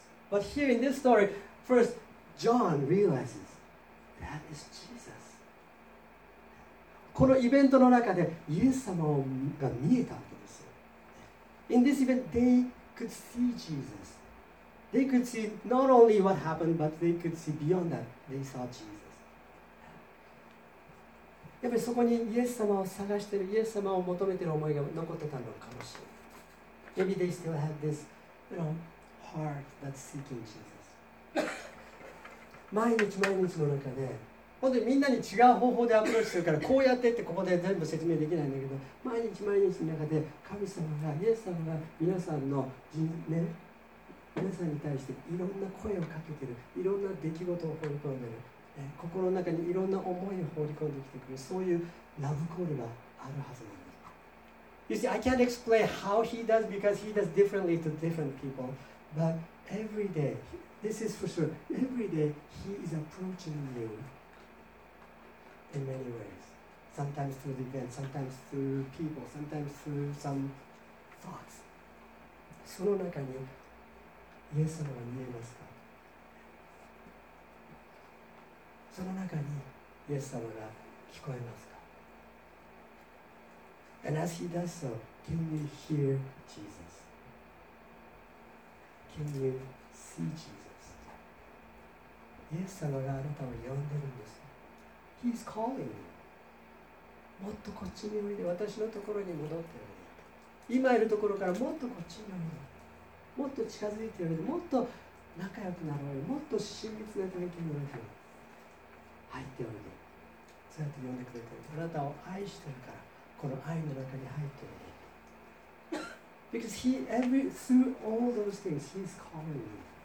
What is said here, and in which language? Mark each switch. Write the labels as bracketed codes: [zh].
[en] But here in this story, first, John realizes that is Jesus. [ja] このイベントの中でイエス様が見えたわけですよ。 [en] In this event, they could see Jesus. They could see not only what happened, but they could see beyond that. They saw Jesus. [ja] やっぱりそこにイエス様を探してる、イエス様を求めてる思いが残ってたのかもしれない。 [en] Maybe they still had this, you know,heart that's seeking Jesus. [ja] 毎日毎日の中で、本当にみんなに違う方法でアプローチするから、こうやってってここで全部説明できないんだけど、毎日毎日の中で神様がイエス様が皆さんの人ね、皆さんに対していろんな声をかけてる、いろんな出来事を放り込んでる、心の中にいろんな思いを放り込んできてくる、そういうラブコールがあるはずなんです。 [en] You see, I can't explain how he does because he does differently to different people. But every day, this is for sure, every day he is approaching you in many ways. Sometimes through the event, sometimes through people, sometimes through some thoughts. [ja] その中にイエス様が見えますか？その中にイエス様が聞こえますか？ [en] And as he does so, can you hear Jesus? Can you see Jesus? [ja] イエス様があなたを呼んでるんです。 [en] He's calling you. [ja] もっとこっちにおいで、私のところに戻っておいで。今いるところからもっとこっちにおいで。もっと近づいておいで、もっと仲良くなろうよ。もっと親密な関係においで。入っておいで。そうやって呼んでくれてる。あなたを愛してるから、この愛の中に入っておいで。 [en] Because he, every, through all those things, he's calling me.